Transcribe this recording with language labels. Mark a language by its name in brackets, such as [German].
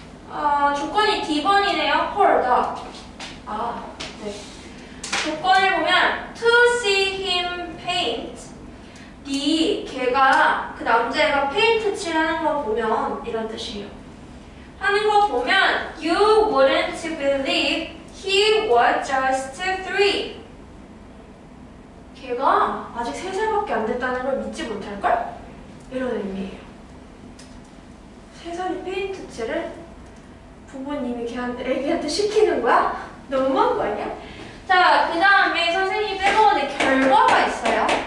[Korean] 아, 조건이 D번이네요. [English] for the. [Korean] 아, 네. 조건을 보면 [English] to see him paint. [Korean] D, 걔가 그 남자애가 페인트 칠하는 거 보면 이런 뜻이에요. 하는 거 보면 [English] you wouldn't believe he was just three. [Korean] 걔가 아직 세 살밖에 안 됐다는 걸 믿지 못할걸? 이런 의미예요. 세 살이 페인트 칠을? 부모님이 걔한테, 애기한테 시키는 거야? 너무한 거 아니야? 자, 그 다음에 선생님이 뺏어오는 결과가 있어요.